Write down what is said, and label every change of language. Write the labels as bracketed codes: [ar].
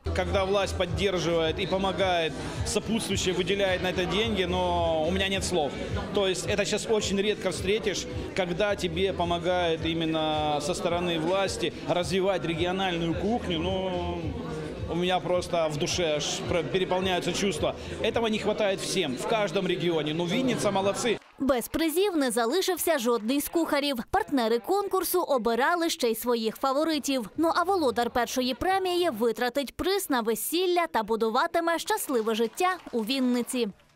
[uk] Коли влада підтримує і допомагає, сопутствуючи, виділяє на це гроші, але у мене немає слов. Тобто це зараз дуже рідко зустрічеш, коли тобі допомагає [ru] именно со стороны власти развивать региональную кухню, ну, у меня просто в душе аж переполняются чувства. Этого не хватает всем, в каждом регионе. Ну, Винница молодцы. [uk] Без призів не залишився жодний з кухарів. Партнери конкурсу обирали ще й своїх фаворитів. Ну а володар першої премії витратить приз на весілля та будуватиме щасливе життя у Вінниці.